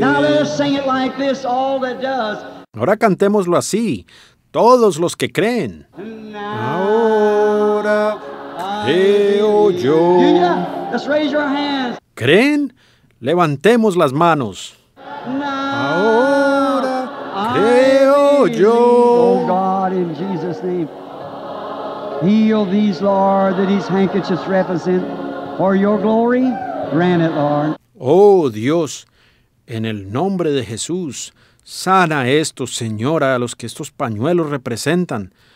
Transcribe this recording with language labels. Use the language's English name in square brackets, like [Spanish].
[English] Now let's sing it like this, all that does. [Spanish] Ahora cantémoslo así, todos los que creen. Ahora creo yo. [English] Let's raise your hands. [Spanish] ¿Creen? Levantemos las manos. Ahora creo yo. [English] Oh God, in Jesus' name. Heal these, Lord, that these handkerchiefs represent for your glory. Grant it, Lord. [Spanish] Oh Dios, en el nombre de Jesús, sana esto, Señor, a los que estos pañuelos representan.